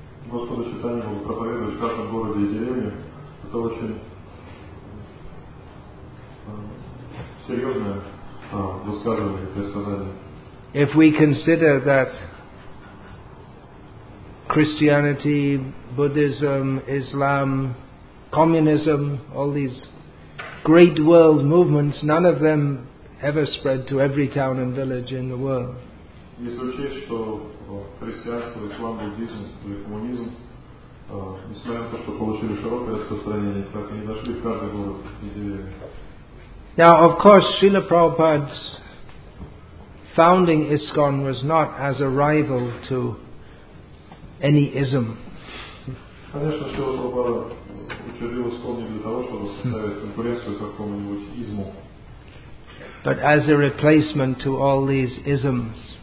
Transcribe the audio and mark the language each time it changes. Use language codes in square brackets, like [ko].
[ru] Господа Читания был проповедовать в каждом городе и деревне, это очень серьезное высказывание, предсказание. [en] If we consider that Christianity, Buddhism, Islam, communism, all these great world movements, none of them ever spread to every town and village in the world. [ru] Если учесть, что христианство, ислам, буддизм или коммунизм, несмотря на то, что получили широкое распространение, так и не дошли в каждый город и деревню. [en] Now, of course, Srila Prabhupada's founding ISKCON was not as a rival to any ism. [ru] Конечно, Srila Prabhupada учредил ISKCON не для того, чтобы составить конкуренцию какому-нибудь изму. [en] But as a replacement to all these isms.